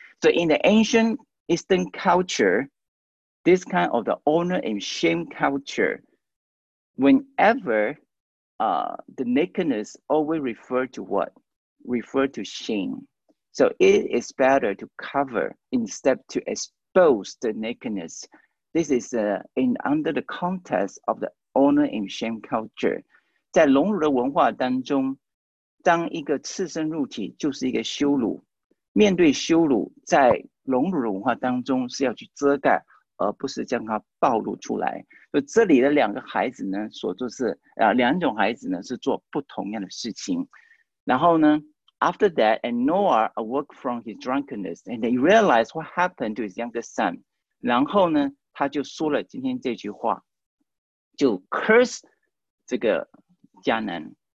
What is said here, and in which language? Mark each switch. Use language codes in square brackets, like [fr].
[en] So in the ancient Eastern culture, this kind of the honor and shame culture, whenever the nakedness always refer to what? Refer to shame. So it is better to cover instead to expose the nakedness. This is in under the context of the honor and shame culture. [zh] 在隆乳的文化当中，当一个赤身入体就是一个羞辱。面对羞辱，在隆乳的文化当中是要去遮盖，而不是将它暴露出来。所以这里的两个孩子呢，所做是啊，两种孩子呢是做不同样的事情。然后呢 [en] ，after that, and Noah awoke from his drunkenness, and he realized what happened to his younger son. [zh] 然后呢，他就说了今天这句话，就 curse 这个迦南。